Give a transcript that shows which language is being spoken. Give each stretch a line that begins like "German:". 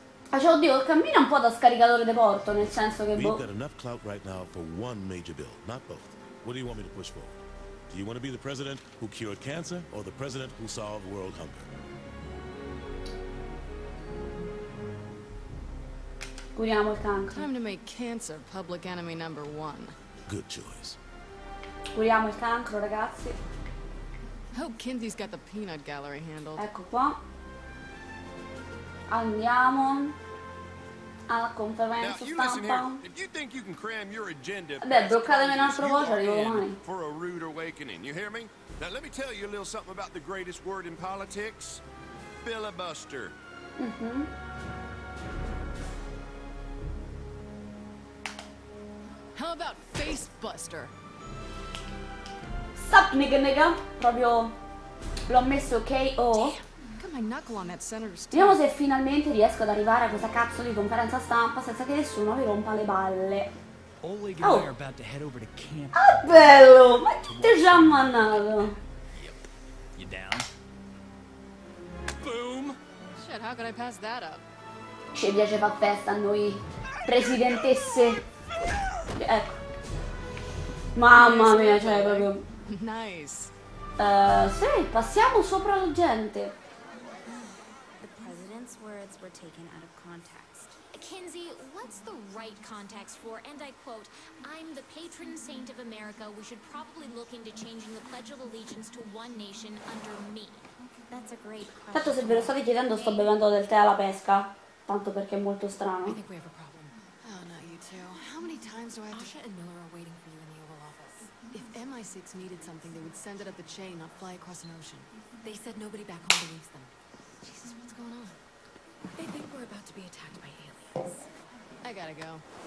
Italian: Cioè, oddio, cammina un po' da scaricatore di porto, nel senso che
English: we've got enough clout right now for one major bill, not both. What do you want me to push for? Do you want to be the president who cured cancer or the president who solved world hunger?
Italian: Curiamo il cancro.
English: Time to make cancer public enemy number one. Good choice.
Italian: Curiamo il cancro, ragazzi.
English: Hope Kinsey's got the peanut gallery handled.
Italian: Ecco qua. Andiamo alla conferenza stampa.
English: Now, you listen here. If you think you can cram your agenda...
Italian: Vabbè, bloccatemi un'altra voce, arrivo domani.
English: ...for a rude awakening, you hear me? Now, let me tell you a little something about the greatest word in politics. Filibuster. Mm-hmm. How about Facebuster?
Italian: Sapnik, nigga. Proprio l'ho messo KO. Vediamo se finalmente riesco ad arrivare a questa cazzo di conferenza stampa senza che nessuno mi rompa le balle.
English: Oleg and I are about to head over to camp.
Italian: Ah, bello! Ma chi ti ha mannato?
English: Yep. You down? Boom! Shit, how could I pass that up?
Italian: Ci piace far festa a noi, presidentesse. Mamma mia, cioè proprio
English: nice.
Italian: Sì, passiamo sopra la gente.
English: The president's words were taken out of context. Kinsey, what's the right context for, and I quote, I'm the patron saint of America, we should probably look into changing the pledge of allegiance to one nation under me. That's a great question.
Italian: Tanto se ve lo state chiedendo, sto bevendo del tè alla pesca, tanto perché è molto strano.
English: I think we have a problem. Oh, not you too. How many times do I have to... Asha and Miller are waiting for you in the Oval Office. If MI6 needed something, they would send it up the chain, not fly across an ocean. They said nobody back home believes them. Jesus, what's going on? They think we're about to be attacked by aliens. I gotta go.